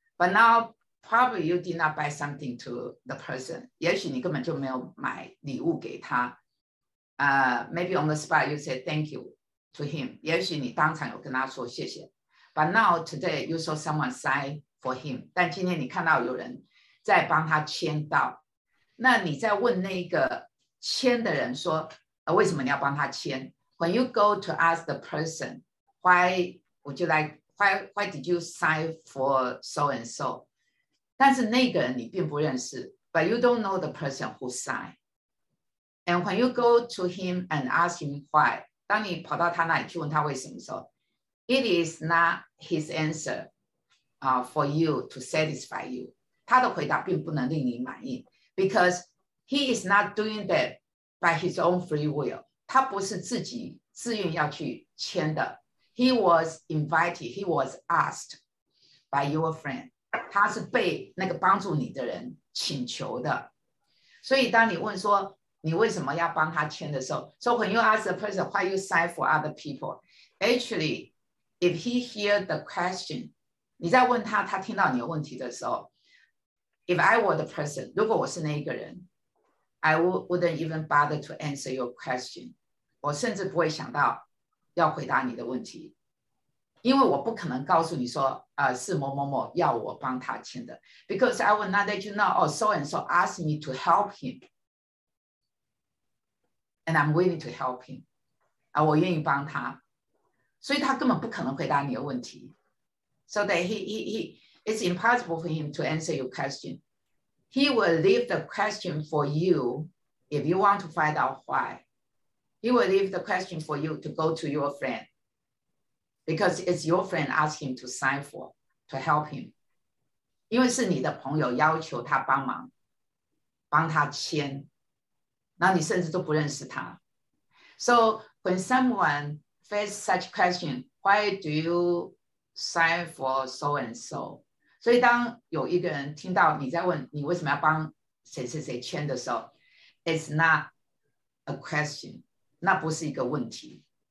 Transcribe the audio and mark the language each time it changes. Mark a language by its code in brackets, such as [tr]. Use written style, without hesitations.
[en] But now probably you did not buy something to the person. [zh] 也许你根本就没有买礼物给他。 [en] Maybe on the spot you said thank you to him. [zh] 也许你当场有跟他说谢谢。 [en] But now today you saw someone sign for him. [zh] 但今天你看到有人在帮他签到。那你在问那个签的人说，为什么你要帮他签 [en] ？When you go to ask the person, why would you like, why did you sign for so and so? [zh] 但是那个人你并不认识 [en] ，but you don't know the person who signed. And when you go to him and ask him why, [zh] 当你跑到他那里去问他为什么的时候 [en] ，it is not his answer, for you to satisfy you. [zh] 他的回答并不能令你满意。 [en] Because he is not doing that by his own free will. [zh] 他不是自己自愿要去签的。 [en] He was invited, he was asked by your friend. [zh] 他是被那个帮助你的人请求的。所以当你问说你为什么要帮他签的时候 [en] ,So when you ask the person why you sign for other people, actually, if he hears the question, [zh] 你在问他他听到你的问题的时候 [en] If I were the person, [zh] 如果我是那一个人 [en] I wouldn't even bother to answer your question. [zh] 我甚至不会想到要回答你的问题。因为我不可能告诉你说、是某某某要我帮他签的。 [en] Because I would not let you know, oh, so-and-so asked me to help him. And I'm willing to help him.、 [zh] 我愿意帮他。所以他根本不可能回答你的问题。 [en] So that It's impossible for him to answer your question. He will leave the question for you if you want to find out why. He will leave the question for you to go to your friend because it's your friend asking him to sign for, to help him. [zh] 因为是你的朋友要求他帮忙，帮他签，那你甚至都不认识他。 [en] So when someone faces such question, why do you sign for so and so? [zh] 所以当有一个人听到你在问你为什么要帮谁谁谁签的时候 [en] It's not a question [zh] 那不是一个问题